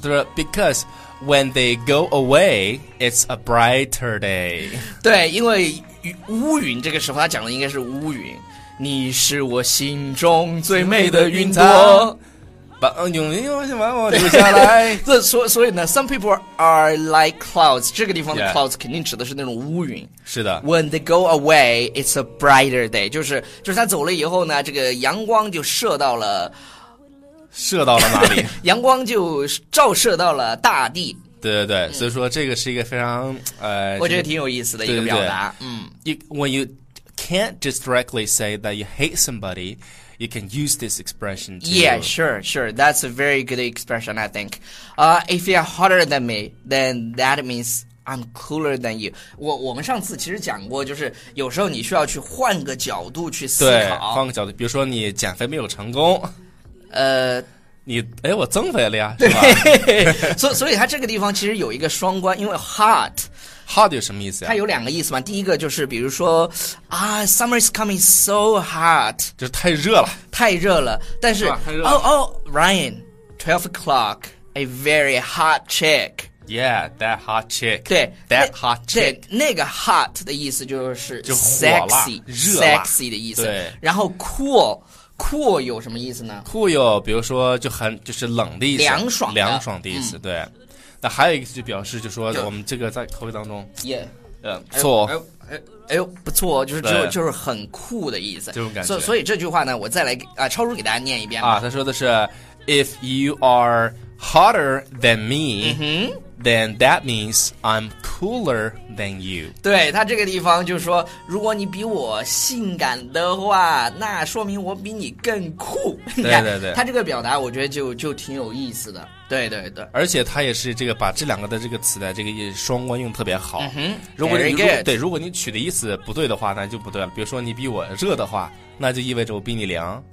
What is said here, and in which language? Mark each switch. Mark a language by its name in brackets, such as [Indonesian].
[English] 就是 because when they go away, it's a brighter day。 [Chinese] 对，因为乌云这个时候他讲的应该是乌云，你是我心中最美的云朵。把永远永远把我留下来。这所以呢 ， [English] some people are like clouds。 [Chinese] 这个地方的 clouds 肯定指的是那种乌云。是的。 [English] When they go away, it's a brighter day。 [Chinese] 就是他走了以后呢，这个阳光就射到了哪里？阳光就照射到了大地。对对对，所以说这个是一个非常我觉得挺有意思的一个表达。 [English] When you can't just directly say that you hate somebody。 You can use this expression too. Yeah, sure, sure. That's a very good expression, I think. If you're hotter than me, then that means I'm cooler than you. [Chinese] 我们上次其实讲过，就是有时候你需要去换个角度去思考。对，换个角度，比如说你减肥没有成功，我增肥了呀，是吧？所以它这个地方其实有一个双关，因为 hot。 Hot 有什么意思呀？它有两个意思嘛。第一个就是比如说啊 ， [English] summer is coming so hot， [Chinese] 就是太热了，太热了。但是哦哦、Ryan， [English] 12 o'clock， a very hot chick。 Yeah， that hot chick。 [Chinese] 对 [English] ，that hot chick。 [Chinese] 对，那个 hot 的意思就是 sexy，热，sexy 的意思。对，然后 cool 有什么意思呢？Cool 有比如说就是冷的意思，凉爽的意思。对。那还有一个就表示，就说我们这个在口语当中，耶，不错，哎呦，不错，就是很酷的意思，这种感觉。所以这句话呢，我再来超叔给大家念一遍啊。他说的是 [English] ，If you are hotter than me，、then that means I'm cooler than you。 [Chinese] 对他这个地方就是说，如果你比我性感的话，那说明我比你更酷。对对对，他这个表达我觉得就挺有意思的。对对对，而且他也是这个把这两个的这个词的这个双关用特别好。嗯哼，如果你如果你取的意思不对的话，那就不对了。比如说你比我热的话，那就意味着我比你凉。